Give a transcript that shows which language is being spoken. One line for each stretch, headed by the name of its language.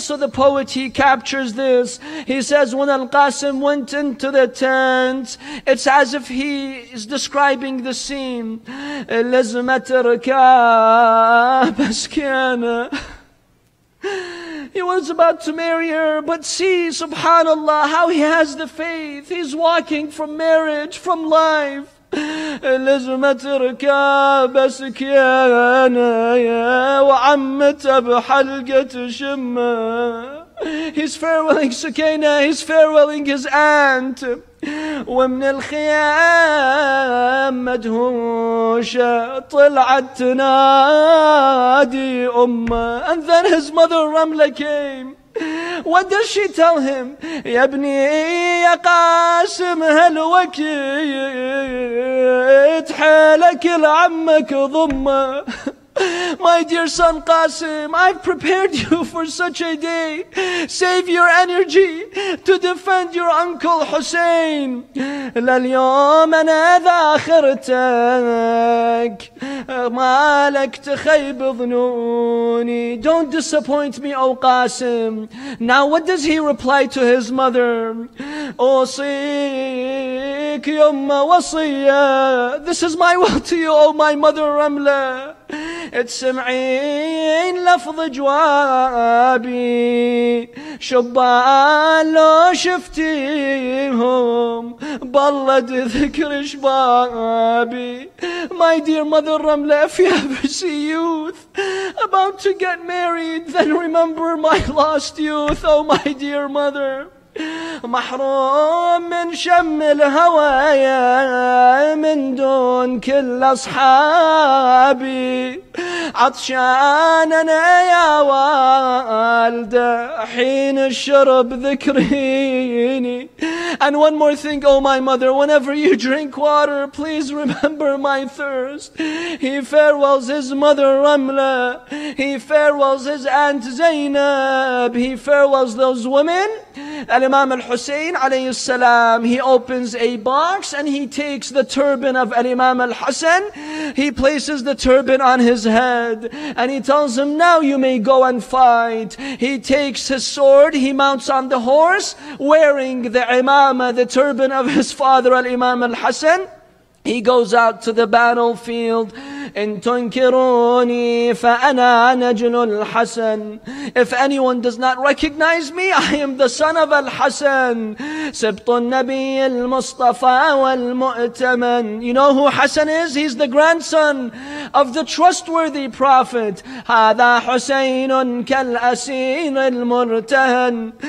English: So the poet, he captures this. He says, when Al-Qasim went into the tent, it's as if he is describing the scene.
Arabic: Lazmat rakab askana.
English: He was about to marry her, but see, subhanallah, how he has the faith. He's walking from marriage, from life.
Arabic: لزمت ركاب سكيانا وعمت بحلقة شمة.
English: He's farewelling Sukaina, he's farewelling his aunt.
Arabic: ومن الخيام مدهوشة طلعت تنادي أمه.
English: And then his mother Ramla came. What does she tell him?
Arabic: يا ابني يا قاسم هالوكيت حالك لعمك ضمه.
English: My dear son Qasim, I've prepared you for such a day. Save your energy to defend your uncle Hussein.
Arabic: لليوم أنا ذاخرتك مالك تخيب ظنوني.
English: Don't disappoint me, O Qasim. Now what does he reply to his mother?
Arabic: أوصيك يما وصية.
English: This is my will to you, O my mother Ramla.
Arabic: اتسمعين لفظ جوابي شبان لو شفتيهم بلد ذكر شبابي.
English: My dear mother Ramla, if you ever see youth about to get married, then remember my lost youth, oh my dear mother.
Arabic: محروم من شم الهوايا من دون كل أصحابي عطشان أنا يا والدة حين الشرب ذكريني.
English: And one more thing, oh my mother, whenever you drink water, please remember my thirst. He farewells his mother Ramla, he farewells his aunt Zainab, he farewells those women. Al-Imam al-Hussein alayhi salam, he opens a box and he takes the turban of Al-Imam al-Hassan. He places the turban on his head and he tells him, now you may go and fight. He takes his sword, he mounts on the horse wearing the imama, the turban of his father Al-Imam al-Hassan. He goes out to the battlefield.
Arabic: إن تنكروني فأنا نجل الحسن.
English: If anyone does not recognize me, I am the son of Al-Hassan.
Arabic: سبط النبي المصطفى والمؤتمن.
English: You know who Hassan is? He's the grandson of the trustworthy prophet.
Arabic: هذا حسين كالأسير المرتهن.